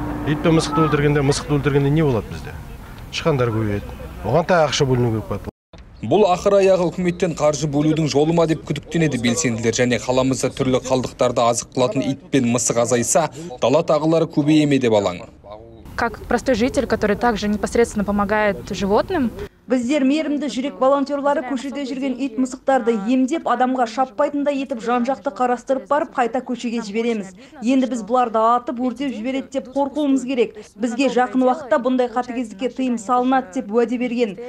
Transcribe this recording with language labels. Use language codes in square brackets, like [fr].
[kk] Ит пен мысықты өлтіргенде не болады бізде? Шықандар көбейеді. Оған тағы ақша бөліну керек па? Бұл ақыр аяғы үкіметтен қаржы бөлудің жолы ма деп күдіктенеді белсенділер және қаламызда түрлі қалдықтарды азық қылатын ит пен мысық азайса, дала тағылары көбейе ме деп алаң. [ru] Как простой житель, который также непосредственно помогает животным. [kk] Біздер мерімді жүрек волонтерлары көшеде жүрген ит мысықтарды емдеп, адамға шаппайтында етіп жан-жақты қарастырып барып, қайта көшеге жібереміз. Енді біз бұларды атып, өртеп жібереді деп қорқуымыз керек. Бізге жақын уақытта бұндай қатыгездікке тыйым салынады деп уәде берген.